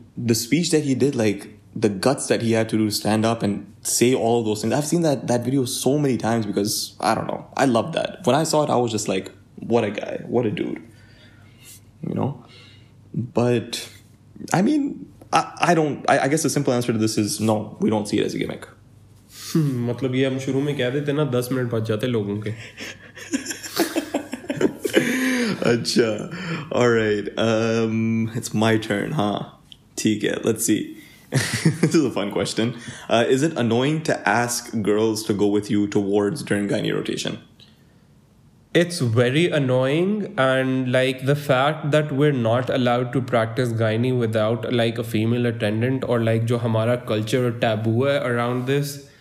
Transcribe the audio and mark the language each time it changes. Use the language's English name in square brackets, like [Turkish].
[English] the speech that he did, like, the guts that he had to do to stand up and say all of those things. I've seen that video so many times because, I don't know, I love that. When I saw it, I was just like, what a guy, what a dude, you know? But, I mean, I guess the simple answer to this is no, we don't see it as a gimmick. [Hindi] मतलब ये हम शुरू में कह देते ना 10 minute बच जाते लोगों के [English] अच्छा all right it's my turn huh [Hindi] ठीक है [English] let's see this is a fun question is it annoying to ask girls to go with you to wards during gynae rotation it's very annoying and like the fact that we're not allowed to practice gynae without like a female attendant or like [Hindi] jo hamara culture taboo hai [English] around this